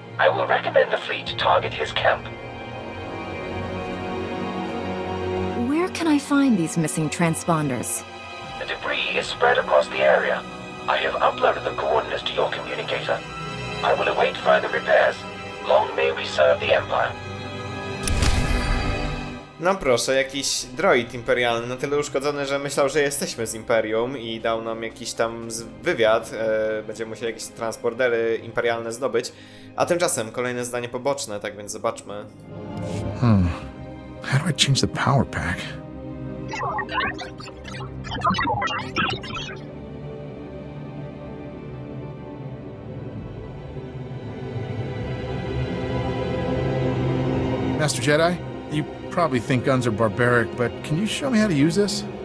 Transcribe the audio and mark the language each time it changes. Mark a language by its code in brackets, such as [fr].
[en] I will recommend the fleet target his camp. Where can I find these missing transponders? The debris is spread across the area. I have uploaded the coordinates to your communicator. I will await further repairs. Long may we serve the Empire. [pl] No proszę, jakiś droid imperialny na tyle uszkodzony, że myślał, że jesteśmy z Imperium i dał nam jakiś tam wywiad. Będziemy musieli jakieś transportery imperialne zdobyć. A tymczasem kolejne zdanie poboczne, tak więc zobaczmy. [en] How do I change the power pack? Master Jedi, you probably think guns are barbaric, but can you show me how to use this?